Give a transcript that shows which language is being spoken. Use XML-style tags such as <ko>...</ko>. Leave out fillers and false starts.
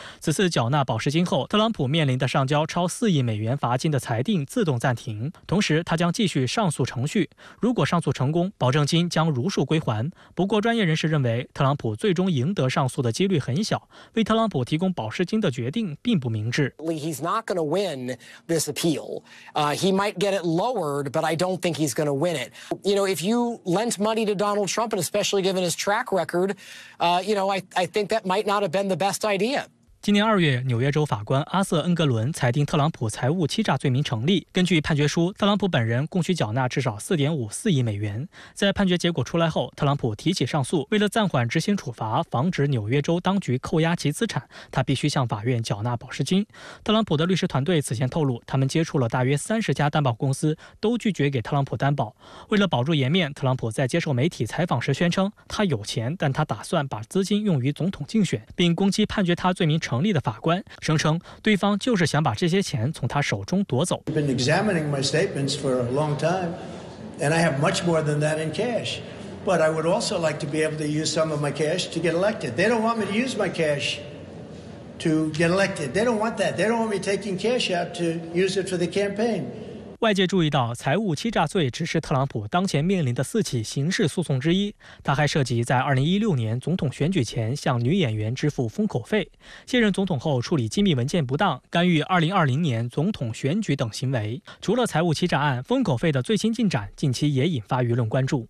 <zh>此次缴纳保释金后，特朗普面临的上交超4亿美元罚金的裁定自动暂停，同时他将继续上诉程序，如果上诉成功，保证金将如数归还。不过专业人士认为，特朗普最终赢得上诉的几率很小，为特朗普提供保释金的决定并不明智。</zh> <en>He's not going to win this appeal. He might get it lowered, but I don't think he's going to win it. You know, if you lent money to Donald Trump, and especially given his track record, I think that might not have been the best idea.</en> <zh>今年2月，纽约州法官阿瑟·恩格伦裁定特朗普财务欺诈罪名成立。根据判决书，特朗普本人共需缴纳至少4.54亿美元。在判决结果出来后，特朗普提起上诉，为了暂缓执行处罚，防止纽约州当局扣押其资产，他必须向法院缴纳保释金。特朗普的律师团队此前透露，他们接触了大约30家担保公司，都拒绝给特朗普担保。为了保住颜面，特朗普在接受媒体采访时宣称，他有钱，但他打算把资金用于总统竞选，并攻击判决他罪名成立的法官，声称对方就是想把这些钱从他手中夺走。</zh> <en>I've been examining my statements for a long time, and I have much more than that in cash. But I would also like to be able to use some of my cash to get elected. They don't want me to use my cash to get elected. They don't want that. They don't want me taking cash out to use it for the campaign.</en> <zh>外界注意到，财务欺诈罪只是特朗普当前面临的四起刑事诉讼之一，它还涉及在2016年总统选举前向女演员支付封口费、卸任总统后处理机密文件不当、干预2020年总统选举等行为。除了财务欺诈案，封口费的最新进展近期也引发舆论关注。</zh>